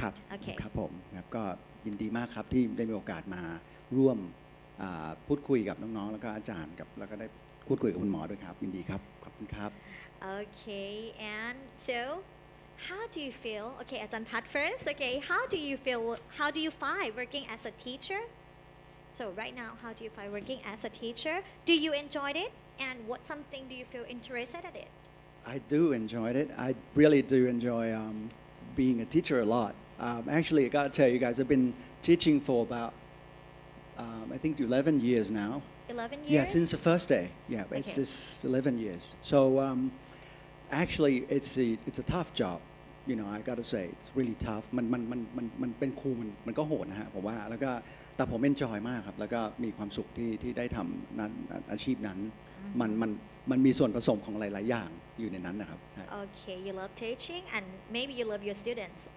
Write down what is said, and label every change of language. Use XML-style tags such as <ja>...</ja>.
<th>ครับโอเคครับผมครับก็ยินดีมากครับที่ได้มีโอกาสมาร่วมพูดคุยกับน้องๆแล้วก็อาจารย์กับแล้วก็ได้พูดคุยกับคุณหมอด้วยครับยินดีครับขอบคุณครับ</th> <en>โอเค and so how do you feel okay อาจารย์พัด first okay how do you feel how do you find working as a teacher so right now how do you find working as a teacher do you enjoy it and what something do you feel interested at it I do enjoy it I really do enjoy being a teacher a lot actually I gotta tell you guys I've been teaching for aboutI think 11 years now. 11 years? Yeah, since the first day. Yeah, okay. It's just 11 years. So actually, it's a tough job. You know, I gotta say, it's really tough.</en> <th>มันเป็นครูมันก็โหดนะฮะผมว่าแล้วก็แต่ผมเอนจอยมากครับแล้วก็มีความสุขที่ได้ทำนั้นอาชีพนั้น mm-hmm. มันมีส่วนผสมของหลายๆอย่างอยู่ในนั้นนะครับ</th> <en>Okay, you love teaching and maybe you love your students.</en>